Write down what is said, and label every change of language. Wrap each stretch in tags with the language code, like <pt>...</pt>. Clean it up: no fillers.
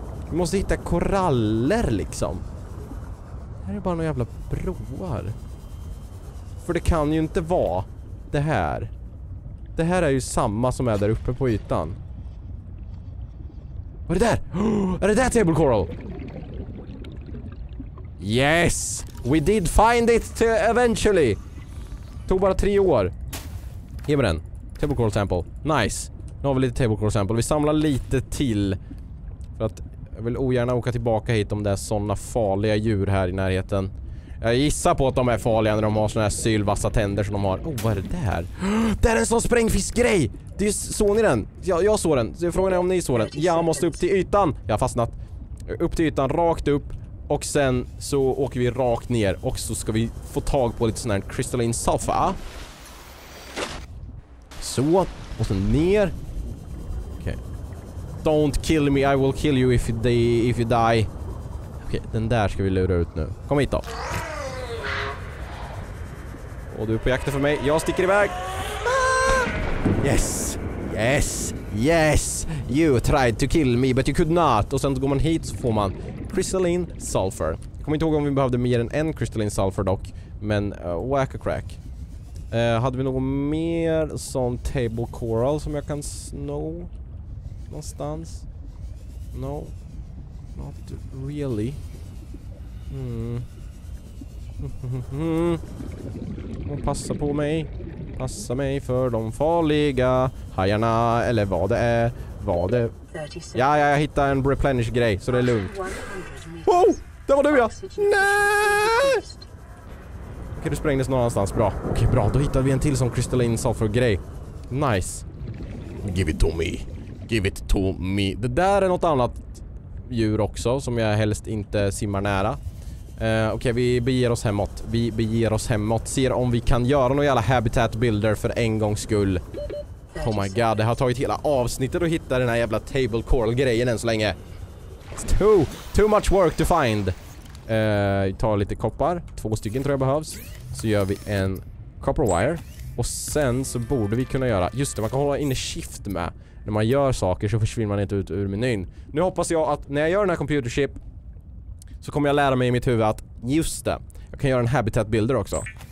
<sv>Vi måste hitta koraller liksom. Det här är bara några jävla broar. För det kan ju inte vara det här. Det här är ju samma som är där uppe på ytan. Vad är det där? Oh, är det där Table Coral?</sv> <en>Yes! We did find it eventually!</en> <sv>Tog bara 3 år. Ge mig den. Table Coral sample. Nice. Nu har vi lite Table Coral sample. Vi samlar lite till. För att... jag vill ogärna åka tillbaka hit om det är såna farliga djur här i närheten. Jag gissar på att de är farliga när de har såna här sylvassa tänder som de har. Oh, vad är det där? Det är en sån sprängfiskgrej! Det är, såg ni den? Ja, jag såg den. Frågan är om ni såg den. Jag måste upp till ytan. Jag har fastnat. Upp till ytan, rakt upp. Och sen så åker vi rakt ner. Och så ska vi få tag på lite sån här crystalline sulfur. Så. Och sen ner.</sv> <en>Don't kill me, I will kill you if you die. Okej,</en> <sv>den där ska vi lura ut nu. Kom hit då. Och du är på jakt för mig. Jag sticker iväg. Yes. Yes. Yes.</sv> <en>You tried to kill me but you could not.</en> <sv>Och sen går man hit så får man crystalline sulfur. Kom inte ihåg om vi behövde mer än en crystalline sulfur dock. Men whack a crack. Hade vi något mer sån table coral som jag kan sno? Någonstans?</sv> <en>No. Not really.</en> <sv>Passa på mig. Passa mig för de farliga hajarna. Eller vad det är. Vad det... Ja, jag hittar en replenish-grej. Så det är lugnt. Wow! Det var du, ja! Nej! Okej, du sprängdes någonstans. Bra. Okej, bra. Då hittade vi en till som crystalline sulfur-grej. Nice.</sv> <en>Give it to me. Give it to me.</en> <sv>Det där är något annat djur också som jag helst inte simmar nära. Okej, vi beger oss hemåt. Vi beger oss hemåt. Ser om vi kan göra någon jävla habitat builder för en gångs skull.</sv> <en>Oh my god,</en> <sv>det har tagit hela avsnittet att hitta den här jävla table coral grejen än så länge.</sv> <en>It's too much work to find.</en> <sv>Vi tar lite koppar. 2 stycken tror jag behövs. Så gör vi en copper wire. Och sen så borde vi kunna göra... just det, man kan hålla inne shift med. När man gör saker så försvinner man inte ut ur menyn. Nu hoppas jag att när jag gör den här computership så kommer jag lära mig i mitt huvud att just det, jag kan göra en habitat builder också.</sv>